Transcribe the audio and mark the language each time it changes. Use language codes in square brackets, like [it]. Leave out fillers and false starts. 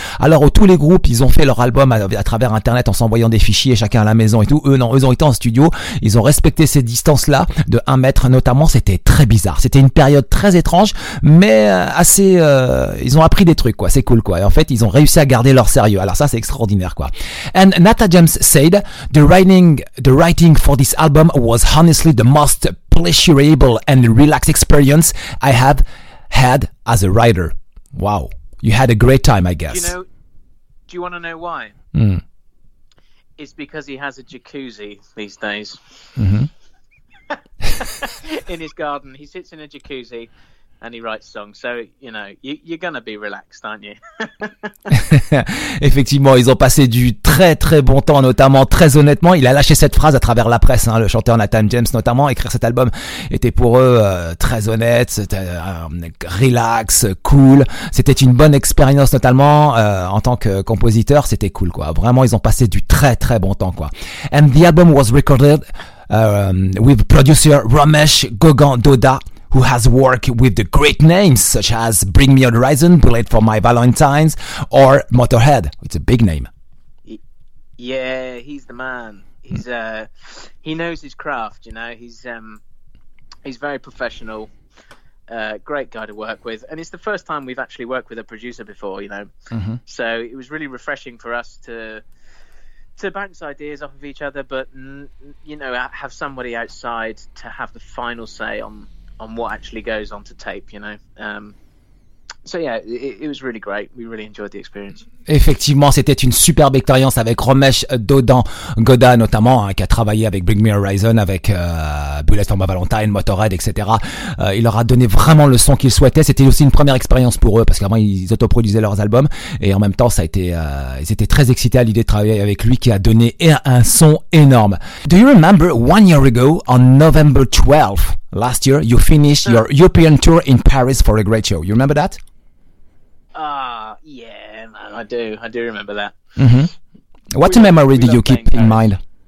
[fr] Alors, tous les groupes, ils ont fait leur album à travers Internet en s'envoyant des fichiers, chacun à la maison et tout. Eux, non, eux ont été en studio. Ils ont respecté ces distances-là de 1 mètre, notamment. C'était très bizarre. C'était une période très étrange, mais assez... ils ont appris des trucs, quoi. C'est cool, quoi. Et en fait, ils ont réussi à garder leur sérieux. Alors, ça, c'est extraordinaire, quoi. [en] And Nathan James said, the writing for this album was honestly the most pleasurable and relaxed experience I have had as a writer. Wow. You had a great time, I guess. Do you want to know why? It's because he has a jacuzzi these days. In his garden. He sits in a jacuzzi and he writes songs. So, you know, you're going to be relaxed, aren't you? [fr] Effectivement, ils ont passé du très très bon temps, notamment très honnêtement. Il a lâché cette phrase à travers la presse, hein, le chanteur Nathan James, notamment. Écrire cet album était pour eux très honnête, relax, cool. C'était une bonne expérience, notamment en tant que compositeur. C'était cool, quoi. Vraiment, ils ont passé du très très bon temps, quoi. [en] And the album was recorded with producer Ramesh Gogandoda, who has worked with the great names such as Bring Me Horizon, Bullet for My Valentine's, or Motorhead. It's a big name. Yeah, he's the man. He's he knows his craft, you know. He's very professional. Great guy to work with, and it's the first time we've actually worked with a producer before, you know. Mm-hmm. So it was really refreshing for us to bounce ideas off of each other, but you know, have somebody outside to have the final say on what actually goes onto tape, you know. So yeah, it was really great. We really enjoyed the experience. [fr] Effectivement, c'était une superbe expérience avec Ramesh Dodangoda notamment, hein, qui a travaillé avec Bring Me Horizon, avec Bullet for My Valentine, Motorhead, etc. Il leur a donné vraiment le son qu'ils souhaitaient. C'était aussi une première expérience pour eux, parce qu'avant ils autoproduisaient leurs albums, et en même temps ça a été, ils étaient très excités à l'idée de travailler avec lui, qui a donné un son énorme. [en] Do you remember 1 year ago on November 12th last year you finished your European tour in Paris for a great show? You remember that? Yeah, man, I do remember that. Mm-hmm. What we memory love, do you keep in mind?